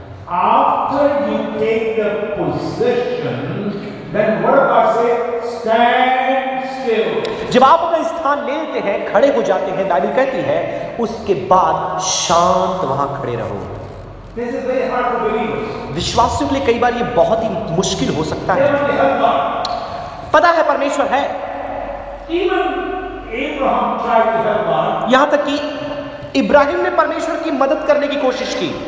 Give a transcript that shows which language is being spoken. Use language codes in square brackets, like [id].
[en] After you take the position, then what about say, stand still. [hi] जब आप अपना स्थान लेते हैं, खड़े हो जाते हैं, दाबी कहती है, उसके बाद शांत वहां खड़े रहो। [en] This is very hard to believe. [hi] विश्वासियों के लिए कई बार ये बहुत ही मुश्किल हो सकता है। [en] They are not [hi] पता है परमेश्वर है। [en] Even Abraham tried to help God. [hi] यहां तक कि इब्राहिम ने परमेश्वर की मदद करने की कोशिश की।